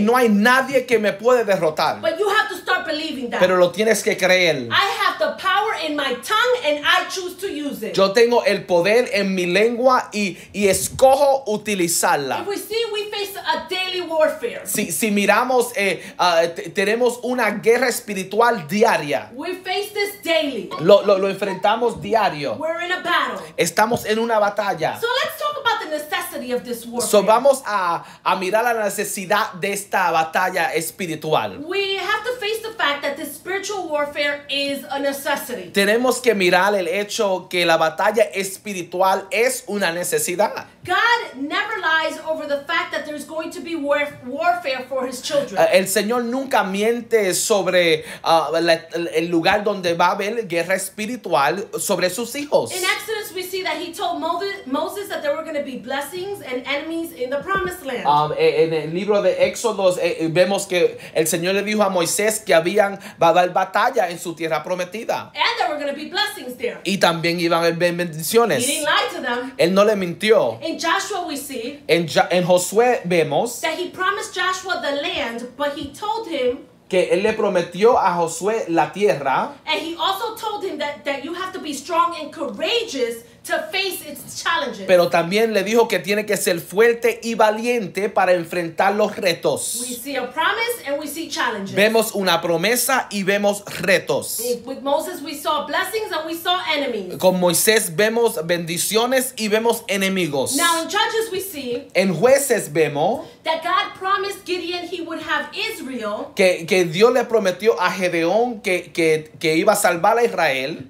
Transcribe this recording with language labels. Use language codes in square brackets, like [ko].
[es] Y no hay nadie que me puede derrotar. [en] But you have to start believing that. [es] Pero lo tienes que creer. [en] I have the power in my tongue and I choose to use it. [es] Yo tengo el poder en mi lengua y escojo utilizarla. [en] If we see we face a daily warfare. [es] Si miramos, tenemos una guerra espiritual diaria. [en] We face this daily. [es] Lo enfrentamos diario. [en] We're in a battle. [es] Estamos en una batalla. [en] So let's talk about the necessity of this warfare. [es] So vamos a mirar la necesidad de esta batalla espiritual. [en] We have to face the fact that this spiritual warfare is a necessity. [es] Tenemos que mirar el hecho que la batalla espiritual es una necesidad. [en] God never lies over the fact that there's going to be warfare for his children. [es] El Señor nunca miente sobre el lugar donde va a haber guerra espiritual sobre sus hijos. [en] In Exodus we see that he told Moses that there were going to be blessings and enemies in the promised land. [es] En el libro de Éxodo vemos que el Señor le dijo a Moisés que habían va a dar batalla en su tierra prometida. [en] And there were going to be blessings there. [es] Y también iban a haber bendiciones. [en] He didn't lie to them. [es] Él no le mintió. [en] In Joshua we see [es] en Josué vemos [en] that he promised Joshua the land, but he told him [es] que él le prometió a Josué la tierra. [en] And he also told him that you have to be strong and courageous to face its challenges. [es] Pero también le dijo que tiene que ser fuerte y valiente para enfrentar los retos. [en] We see a promise and we see challenges. [es] Vemos una promesa y vemos retos. [en] With Moses we saw blessings and we saw enemies. [es] Con Moisés vemos bendiciones y vemos enemigos. [en] Now in Judges we see [es] en Jueces vemos [en] that God promised Gideon he would have Israel. [es] Que Dios le prometió a Gedeón que iba a salvar a Israel.